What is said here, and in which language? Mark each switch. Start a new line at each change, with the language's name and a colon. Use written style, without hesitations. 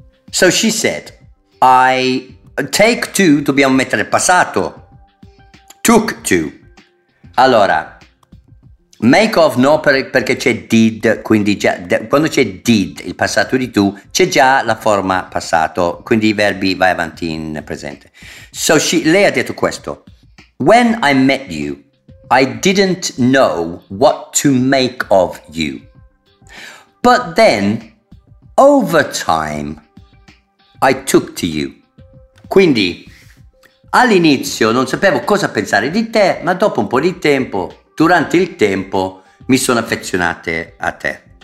English: So she said, I take to,
Italian: dobbiamo mettere passato,
English: took to.
Italian: Allora, make of no, perché c'è did, quindi già, quando c'è did, il passato di tu, c'è già la forma passato, quindi i verbi vai avanti in presente.
English: So
Italian: lei ha detto questo,
English: when I met you, I didn't know what to make of you. But then, over time, I took to you.
Italian: Quindi, all'inizio non sapevo cosa pensare di te, ma dopo un po' di tempo, durante il tempo, mi sono affezionate a te.